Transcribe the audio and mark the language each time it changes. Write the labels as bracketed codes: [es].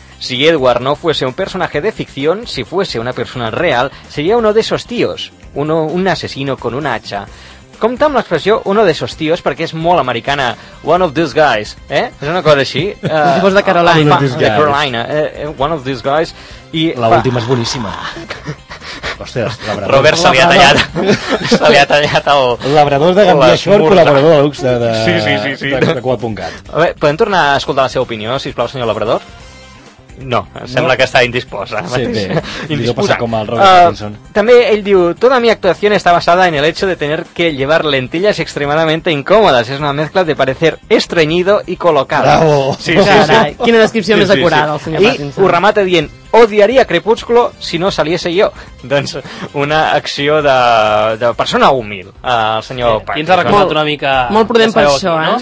[es] Si Edward no fuese un personaje de ficción, si fuese una persona real, sería uno de esos tíos, un asesino con un hacha. [ca] Compta amb l'expressió [es] uno de esos tíos, [ca] perquè és molt americana, [en] one of these guys, [ca] eh? És una cosa així. Si fos de Carolina. [en] One of these guys. [ca] L'última és boníssima. Robert se li ha tallat el... Labrador de Gambia Short, col·laborador de Lux de... Sí. De Quat.cat. A veure, podem tornar a escoltar la seva opinió, sisplau, senyor Labrador? No, sembla que està indisposa. Sí, bé, li deu passar com el Robert Pattinson. També ell diu, [es] toda mi actuación está basada en el hecho de tener que llevar lentillas extremadamente incómodas. Es una mezcla de parecer estreñido y colocado. [ca] Bravo! Sí. Quina descripció més acurada, el senyor Pattinson. I ho remata dient, [es] odiaria Crepúsculo si no saliese jo. [ca] Doncs una acció de persona humil, el senyor Pattinson. I ens ha recordat una mica... Molt prudent per això, eh?